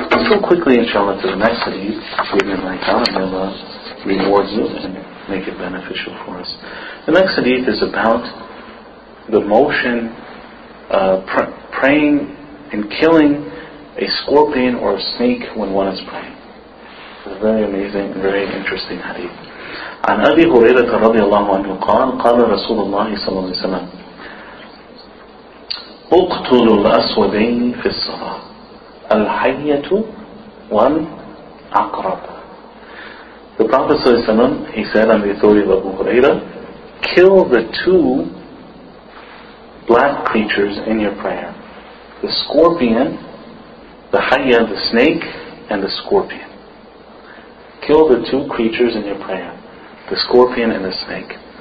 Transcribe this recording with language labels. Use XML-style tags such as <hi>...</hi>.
<en>So quickly, inshallah, to the next hadith, given by Allah, and Allah rewards you and make it beneficial for us. The next hadith is about the motion, praying and killing a scorpion or a snake when one is praying. It's a very amazing, very interesting hadith.</en> <ar>عن أبي هريرة رضي الله عنه قال قال رسول الله صلى الله عليه وسلم اقتلوا الأسودين في الصلاة الحية والعقرب.</ar> <en>The Prophet صلى الله عليه وسلم, he said on the authority of Abu Huraira, kill the two black creatures in your prayer. The scorpion, the hayya, the snake, and the scorpion. Kill the two creatures in your prayer, the scorpion and the snake.</en>